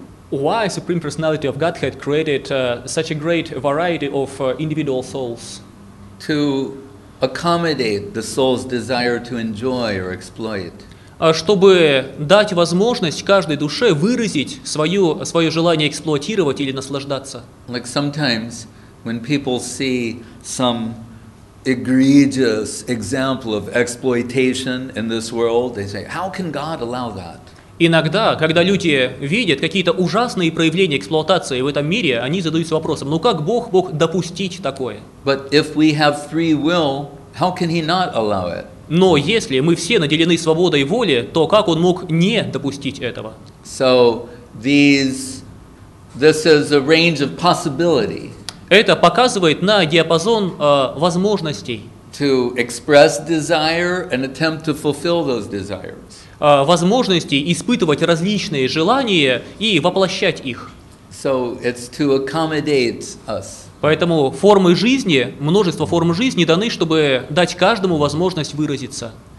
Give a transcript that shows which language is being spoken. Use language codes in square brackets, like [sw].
[en] Why Supreme Personality of Godhead created such a great variety of individual souls? To accommodate the soul's desire to enjoy or exploit. [ru] Чтобы дать возможность каждой душе выразить свое желание эксплуатировать или наслаждаться. [en] Like sometimes when people see some egregious example of exploitation in this world, they say, "How can God allow that?" [ru] Иногда, когда люди видят какие-то ужасные проявления эксплуатации в этом мире, они задаются вопросом: ну как Бог мог допустить такое? [en] But if we have free will, how can he not allow it? [ru] Но если мы все наделены свободой воли, то как он мог не допустить этого? [en] So this is a range of possibility. [ru] Это показывает на диапазон возможностей. [en] To express desire and attempt to fulfill those desires. [ru] возможности испытывать различные желания и воплощать их. [en] So it's to accommodate us. [ru] Поэтому формы жизни, множество форм жизни даны, чтобы дать каждому возможность выразиться.